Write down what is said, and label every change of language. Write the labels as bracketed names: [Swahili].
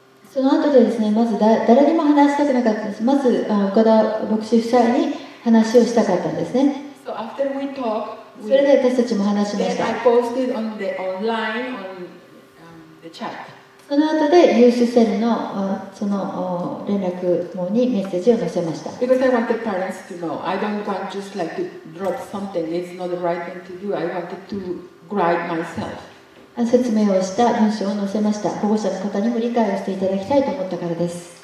[Japanese] その後でですね、まず誰にも話したくなかったんです。まず岡田牧師夫妻に話をしたかったんですね。 [English] So、after we talked, [Japanese] それで私たちも話しました。 [English] Then I posted on the online on the chat. [Japanese] その後でユースセルのその連絡網にメッセージを載せました。 [English] Because I wanted parents to know. I don't want just like to drop something. It's not the right thing to do. I wanted to guide myself. [Japanese] 説明をした文章を載せました。保護者の方にも理解をしていただきたいと思ったからです。